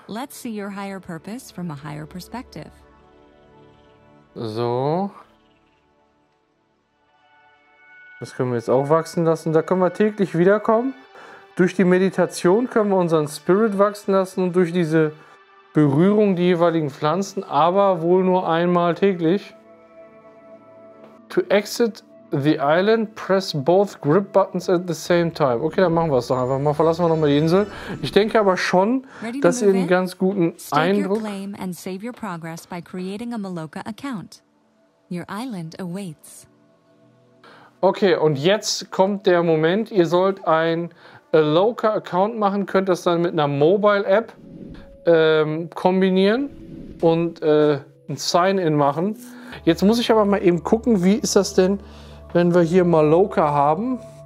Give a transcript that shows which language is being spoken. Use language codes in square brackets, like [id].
[en] Let's see your higher purpose from a higher perspective. [de] So. Das können wir jetzt auch wachsen lassen. Da können wir täglich wiederkommen. Durch die Meditation können wir unseren Spirit wachsen lassen und durch diese Berührung die jeweiligen Pflanzen, aber wohl nur einmal täglich. [en] To exit the island, press both grip buttons at the same time. [de] Okay, dann machen wir es doch einfach mal. Verlassen wir nochmal die Insel. Ich denke aber schon, dass ihr einen ganz guten Eindruck... [en] Stake your claim and save your progress by creating a Maloka account. Your island awaits. [de] Okay, und jetzt kommt der Moment. Ihr sollt ein Maloka Account machen. Könnt das dann mit einer Mobile App kombinieren und ein Sign-in machen. Jetzt muss ich aber mal eben gucken, wie ist das denn, wenn wir hier Maloka haben.